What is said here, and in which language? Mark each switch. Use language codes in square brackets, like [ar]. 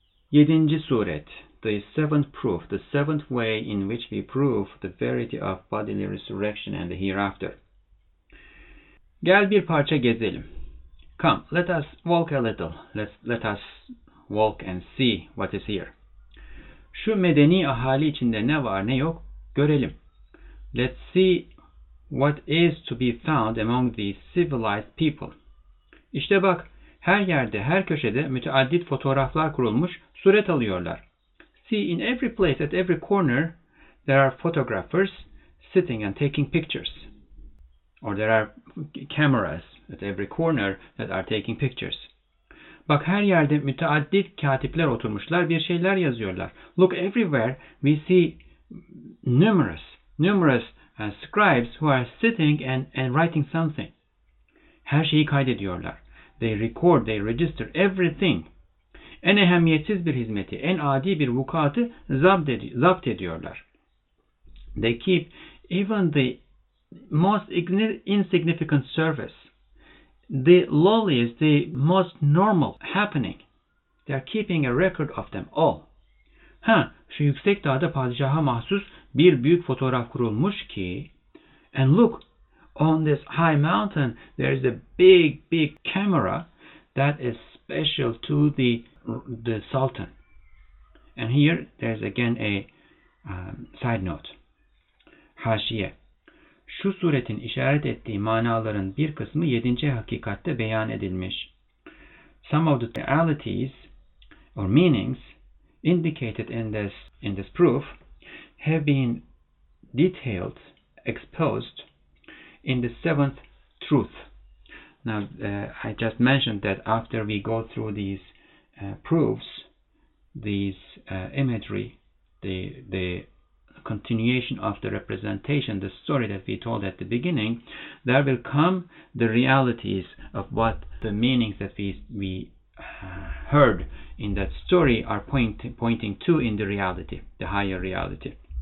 [tr] Yedinci suret, [en] the seventh proof, the seventh way in which we prove the verity of bodily resurrection and the hereafter. [tr] Gel bir parça gezelim. [en] Come, let us walk a little. Let us walk and see what is here. [tr] Şu medeni ahali içinde ne var ne yok görelim. [en] Let's see what is to be found among these civilized people. [tr] İşte bak, her yerde, her köşede müteaddit fotoğraflar kurulmuş, suret alıyorlar. [en] See, in every place, at every corner, there are photographers sitting and taking pictures. Or there are cameras at every corner that are taking pictures. [tr] Bak, her yerde müteaddit katipler oturmuşlar, bir şeyler yazıyorlar. [en] Look, everywhere we see numerous scribes who are sitting and writing something. [tr] Her şeyi kaydediyorlar. [en] They record, they register everything. [tr] En ehemmiyetsiz bir hizmeti, en adi bir vukuatı zapt ediyorlar. [en] They keep even the most insignificant service, the lowliest, the most normal happening. They are keeping a record of them all. [tr] Ha, şu yüksek dağda padişaha mahsus bir büyük fotoğraf kurulmuş ki, [en] and look, on this high mountain, there is a big, big camera that is special to the Sultan. And here, there is again a side note. [tr] Haşiye. Şu suretin işaret ettiği manaların bir kısmı yedinci hakikatte beyan edilmiş. [en] Some of the realities or meanings indicated in this proof have been detailed, exposed in the seventh truth. Now, I just mentioned that after we go through these proofs, these imagery, the continuation of the representation, the story that we told at the beginning, there will come the realities of what the meanings that we heard in that story are pointing to in the reality, the higher reality.